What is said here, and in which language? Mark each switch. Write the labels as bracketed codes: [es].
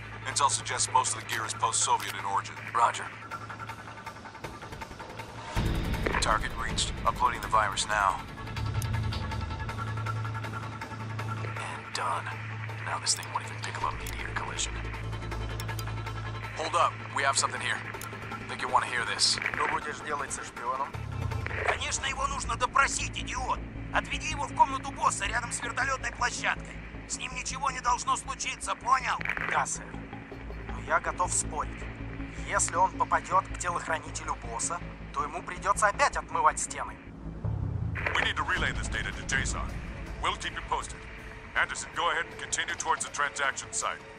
[en] Intel suggests most of the gear is post-Soviet in origin. Roger. Target reached. Uploading the virus now. Done. Now this thing won't even pick up a meteor collision. Hold up, we have something here. Think you want to hear this? [ru] Что будешь делать со шпионом? Конечно, его нужно допросить, идиот. Отведи его в комнату босса рядом с вертолетной площадкой. С ним ничего не должно случиться, понял? Да, сэр. Но я готов спорить. Если он попадет к телохранителю босса, то ему придется опять отмывать стены. [en] We need to relay this data to JSON. We'll keep you posted. Anderson, go ahead and continue towards the transaction site.